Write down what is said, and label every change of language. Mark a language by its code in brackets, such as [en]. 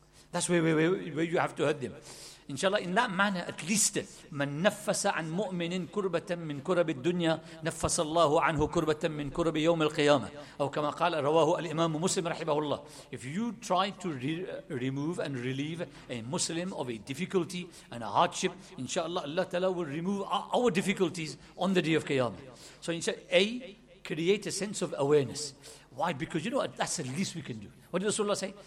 [en] That's where you have to hurt them. Inshallah, in that manner, at least, [ar] مَن نَفَّسَ عَن مُؤْمِنٍ كُرْبَةً مِّن كُرَبِ الدُّنْيَا نَفَّسَ اللَّهُ عَنْهُ كُرْبَةً مِّن كُرَبِ يَوْمِ الْقِيَامَةِ أو كما قال رواه الإمام مسلم رحمه الله. [en] If you try to remove and relieve a Muslim of a difficulty and a hardship, inshallah, Allah Ta'ala will remove our difficulties on the day of Qiyamah. So inshallah, A, create a sense of awareness. Why? Because you know what? That's the least we can do. What did Rasulullah say?